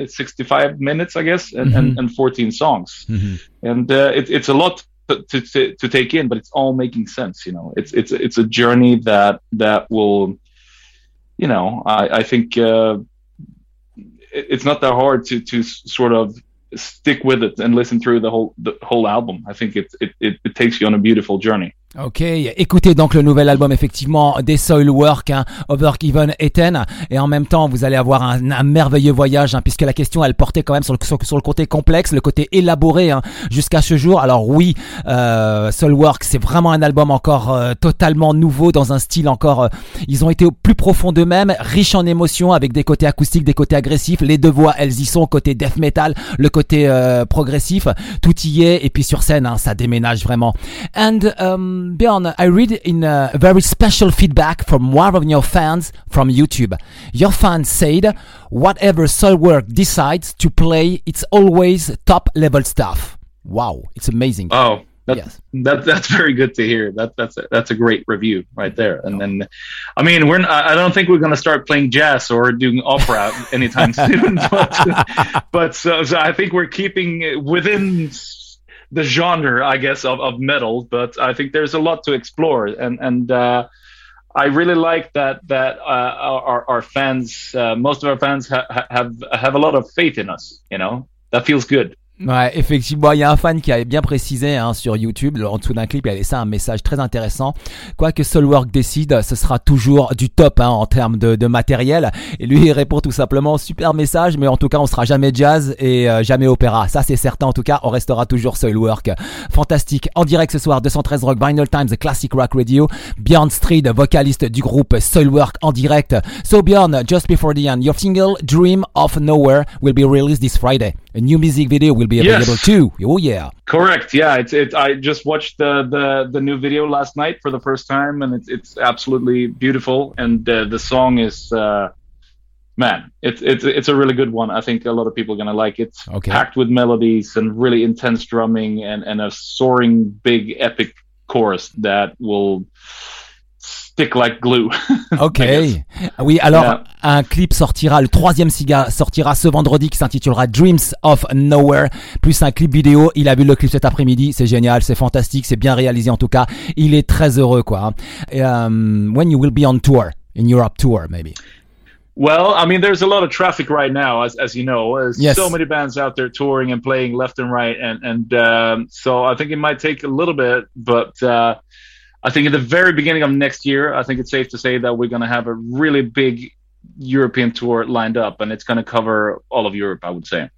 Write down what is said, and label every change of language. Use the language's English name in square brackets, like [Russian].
[English] It's 65 minutes, I guess, and 14 songs, and it's a lot to take in. But it's all making sense. You know, it's a journey that will, you know, I think it's not that hard to sort of stick with it and listen through the whole album. I think it takes you on a beautiful journey. [French] Ok, écoutez donc le nouvel album effectivement des Soilwork, hein, Overgiven Eaten, et en même temps vous allez avoir un merveilleux voyage, hein, puisque la question elle portait quand même sur le côté complexe, le côté élaboré, hein, jusqu'à ce jour. Alors oui, Soilwork c'est vraiment un album encore totalement nouveau, dans un style encore ils ont été au plus profond d'eux-mêmes, riche en émotions, avec des côtés acoustiques, des côtés agressifs, les deux voix elles y sont, côté death metal, le côté progressif, tout y est, et puis sur scène, hein, ça déménage vraiment. [English] And Bjorn, I read in a very special feedback from one of your fans from YouTube. Your fans said, whatever Soilwork decides to play, it's always top-level stuff. Wow, it's amazing. Oh, that's very good to hear. That's a great review right there. And then, I mean, I don't think we're going to start playing jazz or doing opera anytime soon. But so I think we're keeping within the genre, I guess, of metal, but I think there's a lot to explore, and I really like that our fans, most of our fans have a lot of faith in us, you know, that feels good. [French] Ouais, effectivement, il y a un fan qui avait bien précisé, hein, sur YouTube, en dessous d'un clip, il a laissé un message très intéressant. Quoi que Soilwork décide, ce sera toujours du top, hein, en termes de matériel. Et lui, il répond tout simplement, super message, mais en tout cas, on sera jamais jazz et jamais opéra. Ça, c'est certain, en tout cas, on restera toujours Soilwork. Fantastique. En direct ce soir, 213 Rock Vinyl Times, Classic Rock Radio. Bjorn Strid, vocaliste du groupe Soilwork en direct. [English] So Bjorn, just before the end, your single Dream of Nowhere will be released this Friday. A new music video will will be available too. Oh yeah. Correct. Yeah. I just watched the new video last night for the first time, and it's absolutely beautiful. And the song is it's a really good one. I think a lot of people are gonna like it. Okay. Packed with melodies and really intense drumming and a soaring big epic chorus that will stick like glue. [French] Okay. Oui, alors yeah. Un clip sortira, le troisième single sortira ce vendredi qui s'intitulera Dreams of Nowhere, plus un clip vidéo. Il a vu le clip cet après-midi, c'est génial, c'est fantastique, c'est bien réalisé en tout cas. Il est très heureux quoi. [English] Et, when you will be on tour, in Europe tour maybe. Well, I mean, there's a lot of traffic right now, as you know. There's yes. So many bands out there touring and playing left and right. And so I think it might take a little bit. But I think at the very beginning of next year, I think it's safe to say that we're going to have a really big European tour lined up, and it's going to cover all of Europe, I would say.